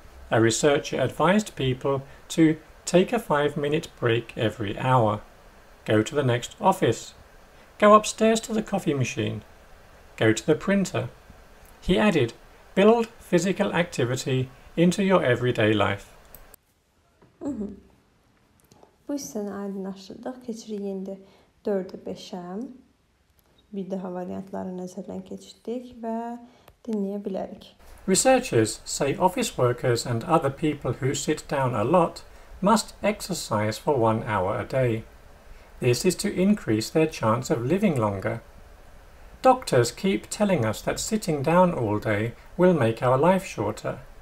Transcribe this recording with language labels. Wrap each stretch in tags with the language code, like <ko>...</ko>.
<en>A researcher advised people to take a 5-minute break every hour. Go to the next office. Go upstairs to the coffee machine. Go to the printer. He added, build physical activity into your everyday life.</en> <az>Bu hissəni aydınlaşdırdıq, keçirik indi 4-ü 5-ə. Bir daha variantları nəzərdən keçirdik və dinləyə bilərik.</az> <en>Researchers say office workers and other people who sit down a lot must exercise for 1 hour a day. This is to increase their chance of living longer. Doctors keep telling us that sitting down all day will make our life shorter.</en>